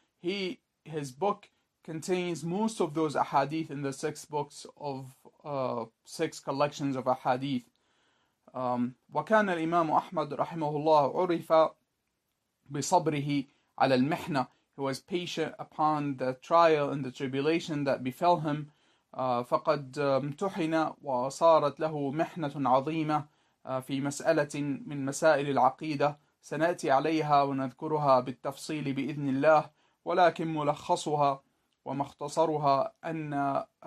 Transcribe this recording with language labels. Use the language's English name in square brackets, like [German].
[English] His book contains most of those ahadith in the six books of six collections of ahadith. [Arabic] وكان الإمام أحمد رحمه الله عرف بصبره على المحنة. [English] He was patient upon the trial and the tribulation that befell him. [Arabic] فقد امتحن وصارت له محنة عظيمة في مسألة من مسائل العقيدة، سنأتي عليها ونذكرها بالتفصيل بإذن الله، ولكن ملخصها ومختصرها أن